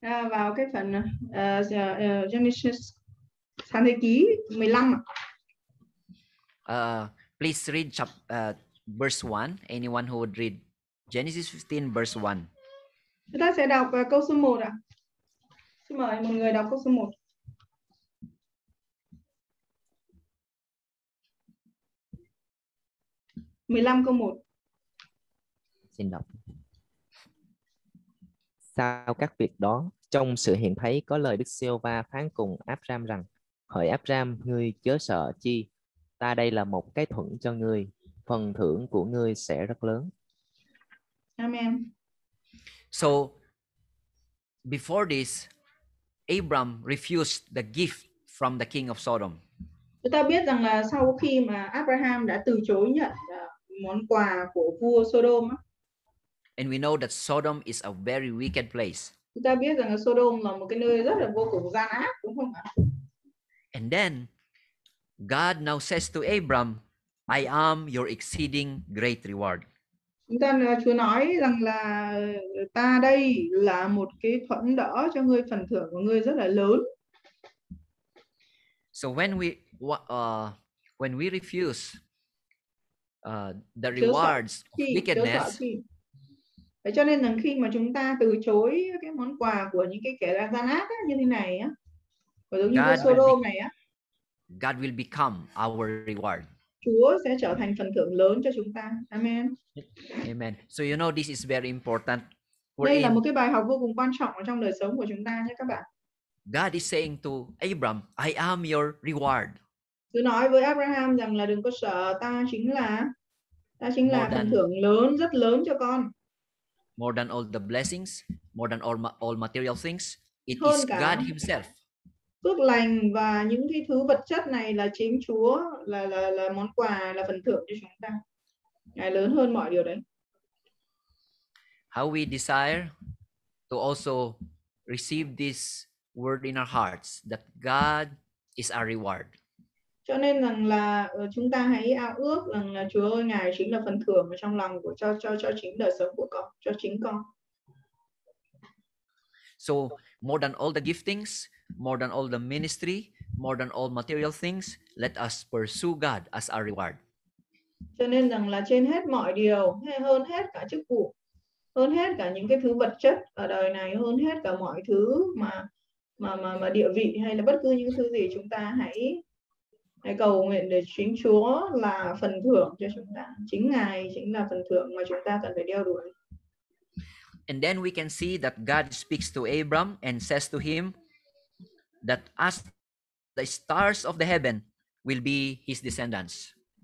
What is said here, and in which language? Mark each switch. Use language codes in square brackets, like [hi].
[vi] Vào cái phần Genesis sáng thế ký 15. [en] Please read verse 1. Anyone who would read Genesis 15 verse 1. [vi] Chúng ta sẽ đọc câu số 1 ạ. Xin mời một người đọc câu số 1. Xin đọc. Sau các việc đó, trong sự hiện thấy có lời Đức Giê-hô-va phán cùng Áp-ram rằng: Hỡi Áp-ram, ngươi chớ sợ chi, ta đây là một cái thuận cho ngươi, phần thưởng của ngươi sẽ rất lớn. Amen. [en] So before this, Abram refused the gift from the king of Sodom. [vi] Chúng ta biết rằng là sau khi mà Abraham đã từ chối nhận món quà của vua Sodom. [en] And we know that Sodom is a very wicked place. [vi] Chúng ta biết rằng là Sodom là một cái nơi rất là vô cùng gian ác, đúng không ạ? [en] And then God now says to Abram, I am your exceeding great reward. [vi] Chúng ta Chúa nói rằng là ta đây là một cái thuận đỡ cho ngươi, phần thưởng của ngươi rất là lớn. [en] So when we refuse the rewards of wickedness. [vi] Cho nên rằng khi mà chúng ta từ chối cái món quà của những cái kẻ gian ác ấy, như thế này á, của giống như Sodom này á, [en] God will become our reward. [vi] Chúa sẽ trở thành phần thưởng lớn cho chúng ta. Amen. Amen. [en] So you know this is very important. [vi] Đây là một cái bài học vô cùng quan trọng ở trong đời sống của chúng ta nhé các bạn. [en] God is saying to Abram, I am your reward. [vi] Chúa nói với Abraham rằng là đừng có sợ, ta chính là more phần than, thưởng lớn, rất lớn cho con. [en] More than all the blessings, more than all material things, it is God himself. [vi] Phước lành và những cái thứ vật chất này là chính Chúa, là món quà, là phần thưởng cho chúng ta. Ngài lớn hơn mọi điều đấy. [en] How we desire to also receive this word in our hearts that God is our reward. [vi] Cho nên rằng là chúng ta hãy ao ước rằng là Chúa ơi, Ngài chính là phần thưởng trong lòng của cho chính đời sống của con, cho chính con. [en] So more than all the giftings, more than all the ministry, more than all material things, let us pursue God as our reward. [vi] Cho nên rằng là trên hết mọi điều, hơn hết cả chức vụ, hơn hết cả những cái thứ vật chất ở đời này, hơn hết cả mọi thứ mà địa vị hay là bất cứ những thứ gì, chúng ta hãy cầu nguyện để chính Chúa là phần thưởng cho chúng ta. Chính Ngài chính là phần thưởng mà chúng ta cần phải đeo đuổi. [en] And then we can see that God speaks to Abram and says to him that as the stars of the heaven will be his descendants.